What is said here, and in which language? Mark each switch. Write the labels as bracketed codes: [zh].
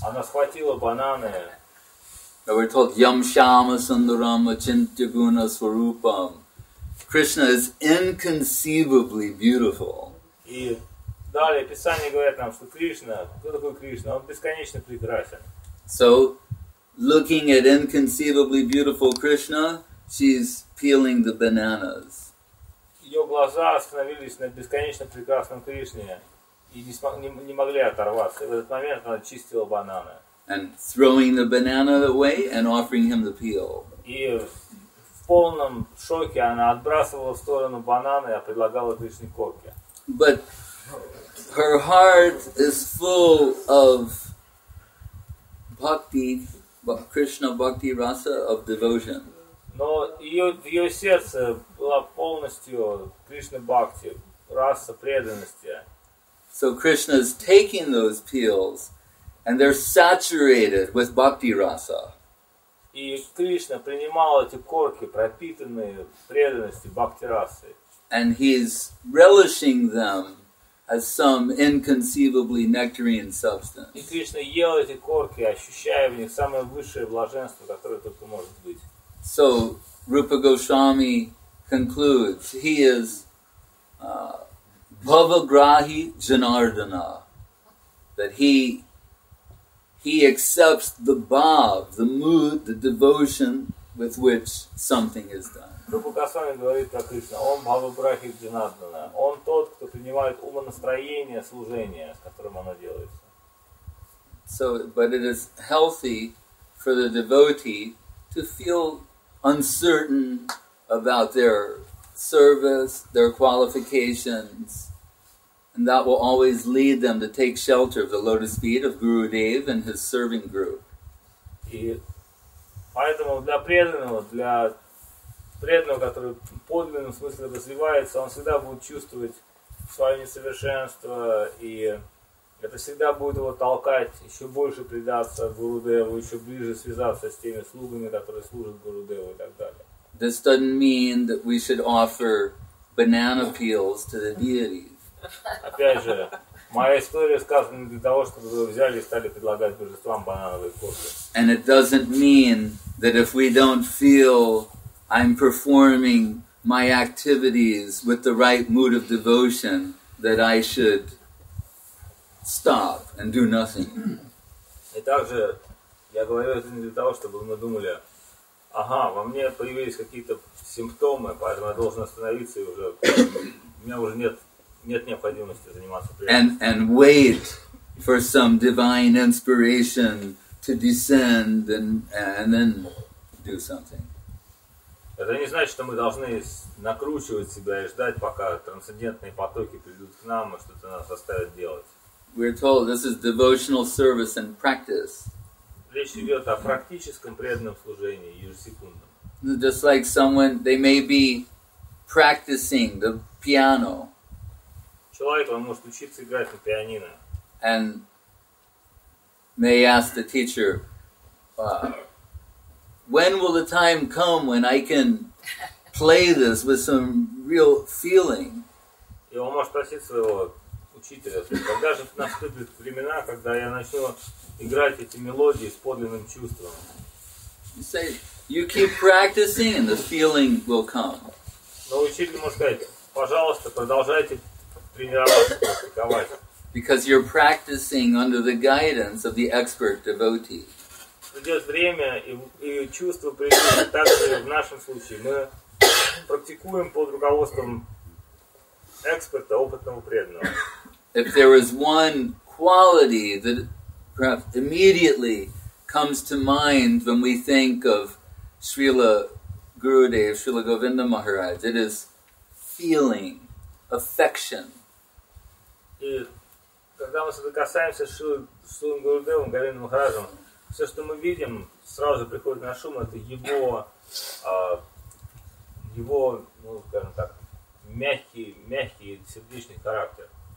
[ru] Она схватила бананы. [en] And we're told, [sa] yam shama sundaram achintya guna swarupam. [en] Krishna is inconceivably beautiful. [ru] И далее Писание говорит нам, что Кришна, кто такой Кришна? Он бесконечно прекрасен. [en] So, looking at inconceivably beautiful Krishna, she's peeling the bananas. [ru] Её глаза остановились на бесконечно прекрасном Кришне и не могли оторваться. В этот момент она чистила бананы. [en] And throwing the banana away and offering him the peel. [ru] И в полном шоке она отбрасывала в сторону бананы, а предлагала Кришне корки. [en] But her heart is full of bhakti. Krishna Bhakti Rasa of devotion. [ru] Но ее сердце было полностью Кришна Бхакти, раса преданности. [en] So Krishna is taking those peels and they're saturated with Bhakti Rasa. [ru] И Кришна принимал эти корки, пропитанные преданностью Бхакти Расы. [en] And he's relishing them as some inconceivably nectarine substance. [ru] И Кришна ел эти корки, ощущая в них самое высшее блаженство, которое только может быть. [en] So, Rupa Goswami concludes, he is Bhavagrahi Janardana, that he accepts the bhav, the mood, the devotion, with which something is done. [ru] Прабху Госвами говорит про Кришну. Он Бхавабрахи Джанардана. Он тот, кто принимает умонастроение служения, с которым оно делается. [en] So, but it is healthy for the devotee to feel uncertain about their service, their qualifications, and that will always lead them to take shelter of the lotus feet of Guru Dev and his serving group. [ru] И поэтому для преданного, который в подлинном смысле развивается, он всегда будет чувствовать свое несовершенство и это всегда будет его толкать еще больше предаться Гурудеву, еще ближе связаться с теми слугами, которые служат Гурудеву и так далее. [en] This doesn't mean that we should offer banana peels to the deities. [ru] Опять же, моя история сказана для того, чтобы вы взяли и стали предлагать божествам банановые кофе. [en] And it doesn't mean that if we don't feel I'm performing my activities with the right mood of devotion, that I should stop and do nothing. [ru] И также я говорю это не для того, чтобы мы думали, ага, во мне появились какие-то симптомы, поэтому я должен остановиться и уже у меня уже нет необходимости заниматься прием. [en] And wait for some divine inspiration to descend and then do something. [ru] Это не значит, что мы должны накручивать себя и ждать, пока трансцендентные потоки придут к нам и что-то нас заставят делать. [en] We're told this is devotional service and practice. [ru] Речь идет о практическом преданном служении ежесекундно. [en] Just like someone, they may be practicing the piano. [ru] Человек, он может учиться играть на пианино. [en] And may ask the teacher, when will the time come when I can play this with some real feeling? [ru] И он может спросить своего учителя, когда же наступят времена, когда я начну играть эти мелодии с подлинным чувством? [en] You say, you keep practicing and the feeling will come. [ru] Но учитель может сказать, пожалуйста, продолжайте тренироваться, практиковать. [en] Because you're practicing under the guidance of the expert devotee. [ru] Придет время и чувство придет. Так же в нашем случае мы практикуем под руководством эксперта, опытного преданного. [en] If there is one quality that perhaps immediately comes to mind when we think of Srila Gurudev, Srila Govinda Maharaj, it is feeling, affection. [ru] И когда мы соприкасаемся с Шрилой Гурудевом, Говиндой Махараджем, все, что мы видим, сразу приходит наш ум, это его, ну, скажем так, мягкий сердечный характер.